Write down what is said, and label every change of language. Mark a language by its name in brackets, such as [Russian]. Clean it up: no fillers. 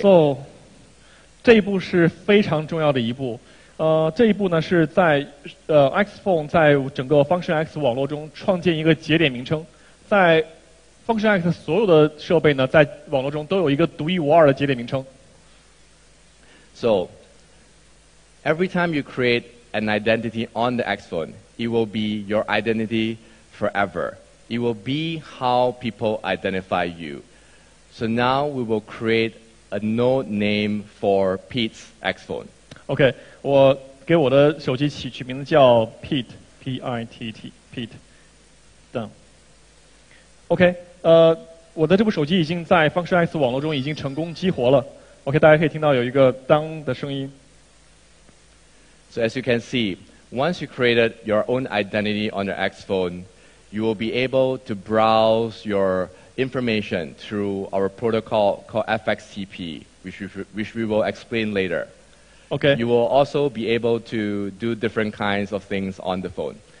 [Chinese] So, 这一步是非常重要的一步。这一步呢是在XPhone 在整个 Function X 网络中创建一个节点名称，在 Function X 所有的设备呢，在网络中都有一个独一无二的节点名称。So, [English] every time you create an identity on the XPhone, it will be your identity forever. It will be how people identify you. So now we will create a node name for Pete's XPhone. [Chinese] Okay, 我。给我的手机起名字叫 Pitt, P-I-T-T, Pitt. [English] Done. [Chinese] OK, 我的这部手机已经在 Function X 网络中已经成功激活了。 OK, 大家可以听到有一个当的声音。 [English] So as you can see, once you created your own identity on your XPhone, you will be able to browse your information through our protocol called FXTP, which we will explain later. Okay. You will also be able to do different kinds of things on the phone.